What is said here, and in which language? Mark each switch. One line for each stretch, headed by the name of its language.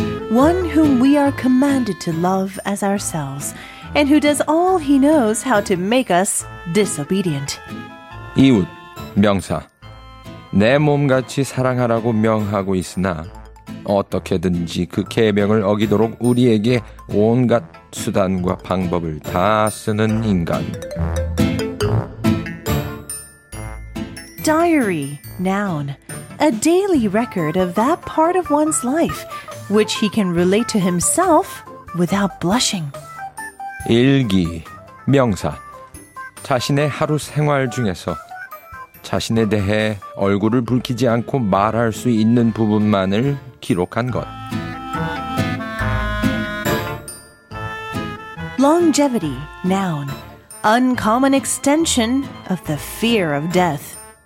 English: One whom we are commanded to love as ourselves, and who does all he knows how to make us disobedient.
Korean: 이웃, 명사. 내 몸같이 사랑하라고 명하고 있으나 어떻게든지 그 계명을 어기도록 우리에게 온갖 수단과 방법을 다 쓰는 인간.
English: Diary, noun. A daily record of that part of one's life, which he can relate to himself without blushing.
Korean: 일기, 명사. 자신의 하루 생활 중에서 자신에 대해 얼굴을 붉히지 않고 말할 수 있는 부분만을 기록한 것.
English: Longevity, noun. Uncommon extension of the fear of death.